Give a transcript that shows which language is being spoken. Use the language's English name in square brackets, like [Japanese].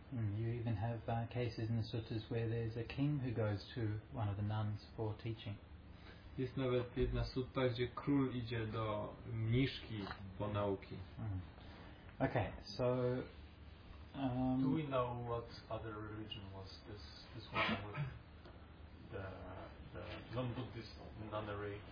[English] You even have cases in the suttas where there's a king who goes to one of the nuns for teaching. [Polish] Jest nawet jedna sutta, gdzie król idzie do mniszki po nauki. [English] Okay, so do we know what other religion was this one with the non-Buddhist nunnery?